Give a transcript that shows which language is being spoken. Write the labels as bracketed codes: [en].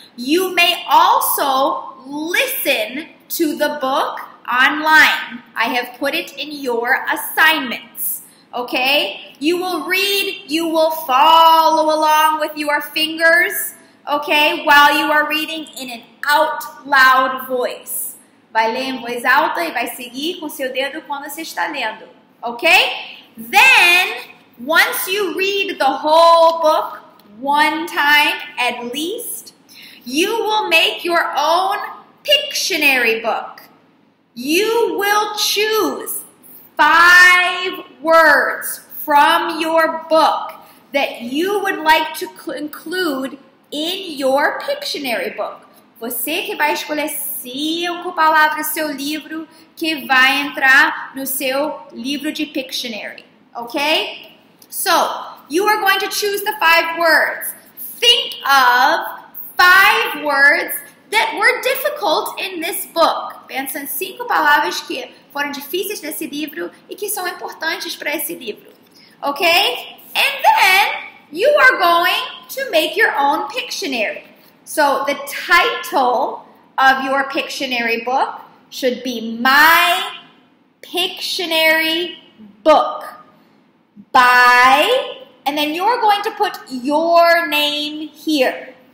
[en] You may also listen to the book online. I have put it in your assignments. Okay? You will read, you will follow along with your fingers, okay, while you are reading in an out loud voice. [pt] Vai ler em voz alta e vai seguir com seu dedo quando você está lendo. [en] Okay? Then, once you read the whole book one time at least, you will make your own Pictionary book. You will choose 5 words from your book that you would like to include in your Pictionary book. [pt] Você que vai escolher 5 palavras do seu livro que vai entrar no seu livro de Pictionary. [en] Okay? So, you are going to choose the 5 words. Think of 5 words that were difficult in this book. [pt] Pensa em 5 palavras que foram difíceis nesse livro e que são importantes para esse livro. [en] Okay? And then, you are going to make your own Pictionary. So, the title of your Pictionary book should be My Pictionary Book by, and then you're going to put your name here.